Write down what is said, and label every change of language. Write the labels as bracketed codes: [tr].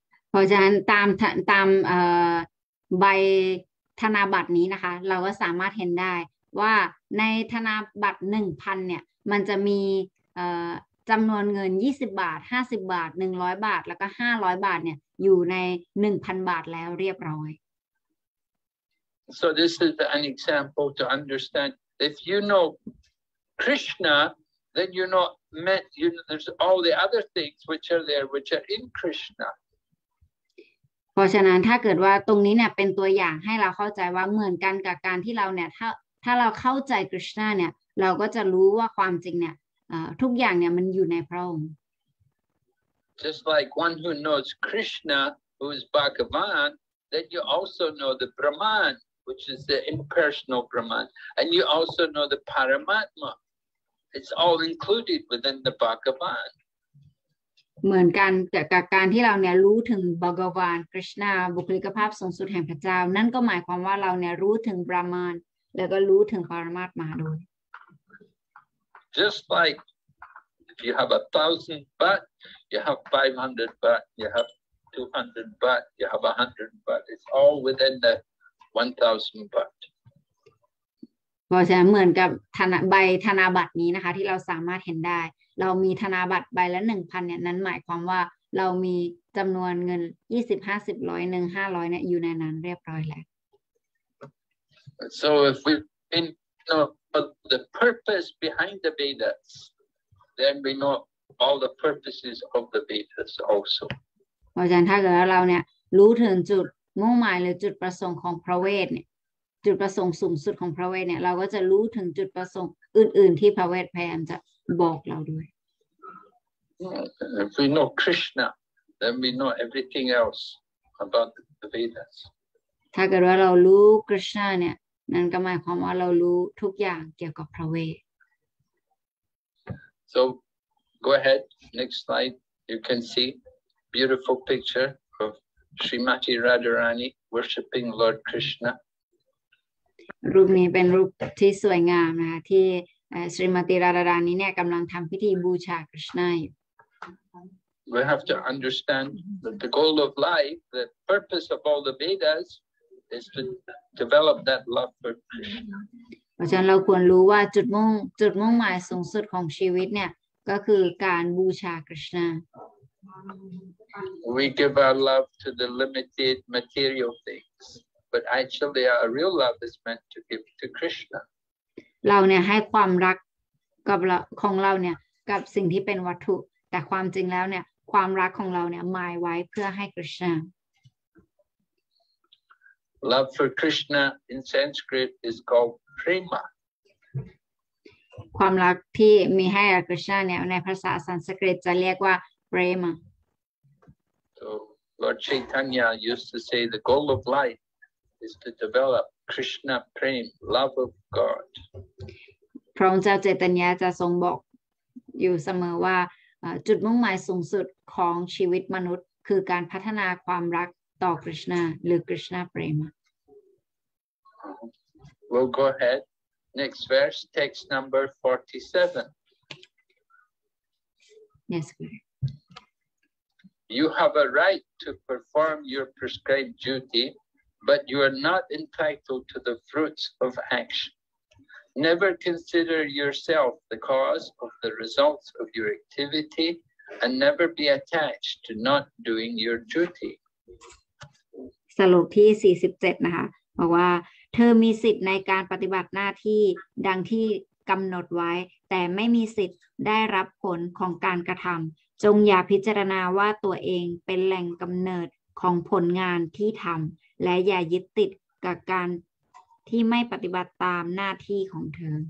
[th] เพราะฉะนั้นตามใบธนบัตรนี้นะคะเราก็สามารถเห็นได้ว่าในธนบัตร 1,000 เนี่ยมันจะมีจำนวนเงิน20บาท50บาท100บาทแล้วก็500บาทเนี่ยอยู่ใน 1,000 บาทแล้วเรียบร้อย [en] So this is an example to understand. If you know Krishna, then you know there's all the other things which are there, which are in Krishna. [th] เพราะฉะนั้นถ้าเกิดว่าตรงนี้เนี่ยเป็นตัวอย่างให้เราเข้าใจว่าเหมือนกันกับการที่เราเนี่ยถ้าเราเข้าใจคริชนาเนี่ยเราก็จะรู้ว่าความจริงเนี่ยทุกอย่างเนี่ยมันอยู่ในพระองค์ [en] Just like one who knows Krishna, who is Bhagavan, then you also know the Brahman. Which is the impersonal Brahman, and you also know the Paramatma. It's all included within the Bhagavan. [th] เหมือนกันแต่กับการที่เราเนี่ยรู้ถึง Bhagavan Krishna บุคลิกภาพสูงสุดแห่งพระเจ้านั่นก็หมายความว่าเราเนี่ยรู้ถึง Brahman แล้วก็รู้ถึง Paramatma ด้วย [en] Just like if you have 1,000 baht, you have 500 baht, you have 200 baht, you have 100 baht. It's all within the 1,000 baht. [th] เหมือนกับใบธนบัตรนี้นะคะที่เราสามารถเห็นได้เรามีธนบัตรใบละ 1,000 เนี่ยนั้นหมายความว่าเรามีจำนวนเงิน20 50 100 1 500เนี่ยอยู่ในนั้นเรียบร้อยแล้ว [en] So if we know the purpose behind the Vedas then we know all the purposes of the Vedas also. [th] เพราะฉะนั้นถ้าเกิดเราเนี่ยรู้ถึงจุดมุ่งหมายหรือจุดประสงค์ของพระเวทเนี่ยจุดประสงค์สูงสุดของพระเวทเนี่ยเราก็จะรู้ถึงจุดประสงค์อื่นๆที่พระเวทพยายามจะบอกเราด้วย [en] If we know Krishna then we know everything else about the Vedas [th] ถ้าเกิดว่าเรารู้คริชนาเนี่ยนั่นก็หมายความว่าเรารู้ทุกอย่างเกี่ยวกับพระเวท [en] So go ahead next slide you can see beautiful picture ofShrimati Radharani worshipping Lord Krishna. [th] รูปนี้เป็นรูปที่สวยงามนะที่ Srimati Radharani เนี่ยกำลังทำพิธีบูชาคริชนาอยู่ [en] We have to understand that the goal of life, the purpose of all the Vedas, is to develop that love for Krishna. [th] เพราะฉะนั้นเราควรรู้ว่าจุดมุ่งหมายสูงสุดของชีวิตเนี่ยก็คือการบูชาคริชนา [en] We give our love to the limited material things, but actually our real love is meant to give to Krishna. [th] เราเนี่ยให้ความรักกับของเราเนี่ยกับสิ่งที่เป็นวัตถุแต่ความจริงแล้วเนี่ยความรักของเราเนี่ยหมายไว้เพื่อให้ Krishna. [en] Love for Krishna in Sanskrit is called prema. [th] ความรักที่มีให้ Krishna เนี่ยในภาษาสันสกฤตจะเรียกว่าprema [en] so lord chaitanya used to say the goal of life is to develop krishna prema love of god [th] พระองค์เจ้าเจตัญญาจะทรงบอกอยู่เสมอว่า จุดมุ่งหมายสูงสุดของชีวิตมนุษย์คือการพัฒนาความรักต่อกฤษณาหรือกฤษณาเปรมะ [en] We'll go ahead. Next verse, text number 47. Yes, Guru. You have a right to perform your prescribed duty, but you are not entitled to the fruits of action. Never consider yourself the cause of the results of your activity and never be attached to not doing your duty. [th] สรุปที่47นะคะบอกว่าเธอมีสิทธิ์ในการปฏิบัติหน้าที่ดังที่กำหนดไว้แต่ไม่มีสิทธิ์ได้รับผลของการกระทำจงอย่าพิจารณาว่าตัวเองเป็นแหล่งกำเนิดของผลงานที่ทำและอย่ายึดติดกับการที่ไม่ปฏิบัติตามหน้าที่ของเธ